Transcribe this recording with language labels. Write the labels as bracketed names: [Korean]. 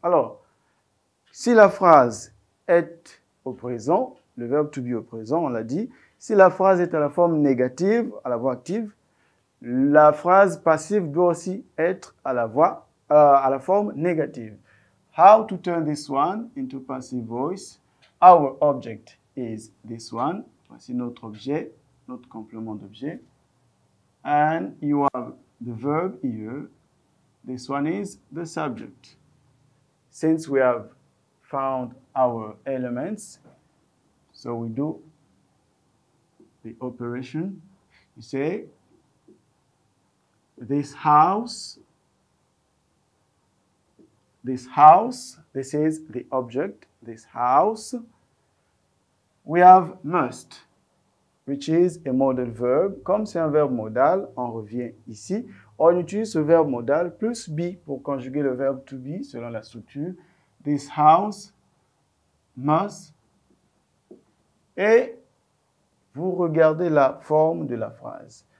[French] Alors, si la phrase est au présent, le verbe to be au présent, on l'a dit, si la phrase est à la forme négative, à la voix active, la phrase passive doit aussi être à la forme négative. [English] How to turn this one into passive voice? Our object is this one. [French] Voici notre objet, notre complément d'objet. [English] And you have the verb here. This one is the subject. Since we have found our elements, so we do the operation. You say, this house, this is the object, this house. We have must, which is a modal verb. [French] Comme c'est un verbe modal, on revient ici. On utilise ce verbe modal plus be pour conjuguer le verbe to be selon la structure. [English] This house must. [French] Et vous regardez la forme de la phrase.